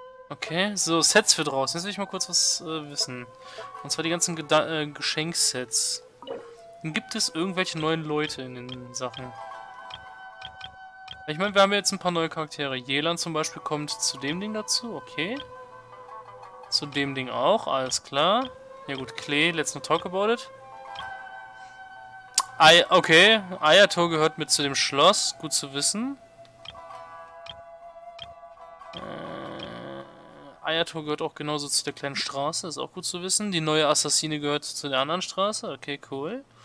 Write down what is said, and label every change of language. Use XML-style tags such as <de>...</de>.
<de>Okay, so Sets für draußen. Jetzt will ich mal kurz was wissen. Und zwar die ganzen Geschenksets. Gibt es irgendwelche neuen Leute in den Sachen? Ich meine, wir haben jetzt ein paar neue Charaktere. Yelan zum Beispiel kommt zu dem Ding dazu, okay. Zu dem Ding auch, alles klar. Ja gut, Klee,</de> <en>let's not talk about it.</en> <de>Okay, Ayato gehört mit zu dem Schloss, gut zu wissen. Ayato gehört auch genauso zu der kleinen Straße, ist auch gut zu wissen. Die neue Assassine gehört zu der anderen Straße, okay, cool.</de>